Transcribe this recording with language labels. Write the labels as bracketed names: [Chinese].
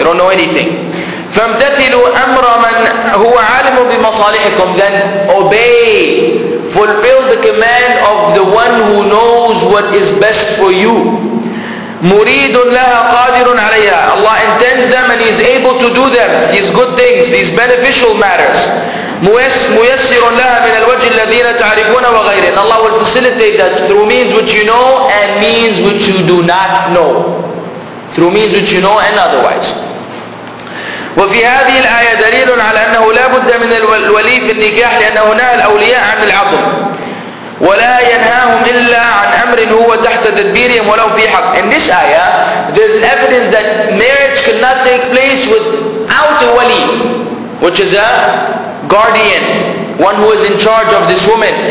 [English] You don't know anything. [Arabic] فَامْتَثِلُوا أَمْرَ مَنْ هُوَ عَالِمُ بِمَصَالِحِكُمْ. [English] Then obey, fulfill the command of the one who knows what is best for you. [Arabic] مريد لها قادر عليها. [English] Allah intends them and He is able to do them, these good things, these beneficial matters. [Arabic] ميسر لها من الوجه الذين تعرفون وغيره. [English] Allah will facilitate that through means which you know and means which you do not know. Through means which you know and otherwise. [Arabic] وفي هذه الآية دليل على أنه لا بد من الولي في النكاح لأنه نهى الأولياء عن العقد. ولا ينهاهم إلا عن أمر هو تحت تدبيرهم ولو في حق. [English] In this ayah, there's an evidence that marriage cannot take place without a wali, which is a guardian, one who is in charge of this woman.